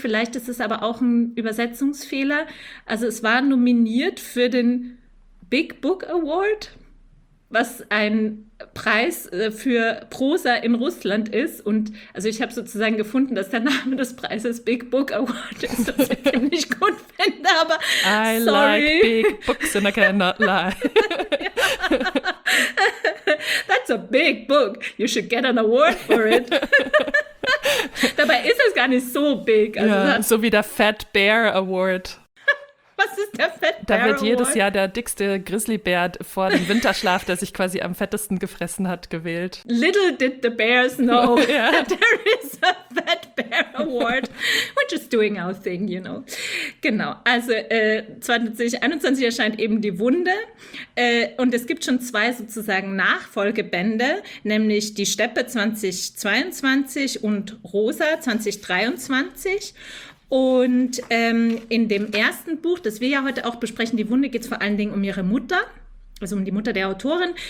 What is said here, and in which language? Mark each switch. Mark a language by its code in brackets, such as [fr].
[de] Vielleicht ist es aber auch ein Übersetzungsfehler. Also es war nominiert für den Big Book Award, was ein Preis für Prosa in Russland ist. Und also ich habe sozusagen gefunden, dass der Name des Preises Big Book Award ist, was ich ziemlich gut finde, aber [en] I sorry. Like big books and I cannot lie. That's a big book. You should get an award for it. [de] Dabei ist es gar nicht so big. Also ja, so wie der Fat Bear Award. Was ist der Fat Bear Award? Da wird jedes Award? Jahr der dickste Grizzlybär vor dem Winterschlaf, der sich quasi am fettesten gefressen hat, gewählt. [en] Little did the bears know that there is a Fat Bear Award. We're just doing our thing, you know. [de] Genau, also 2021 erscheint eben Die Wunde. Und es gibt schon zwei sozusagen Nachfolgebände, nämlich Die Steppe 2022 und Rosa 2023. Und in dem ersten Buch, das wir ja heute auch besprechen, Die Wunde, geht es vor allen Dingen um ihre Mutter, also um die Mutter der Autorin.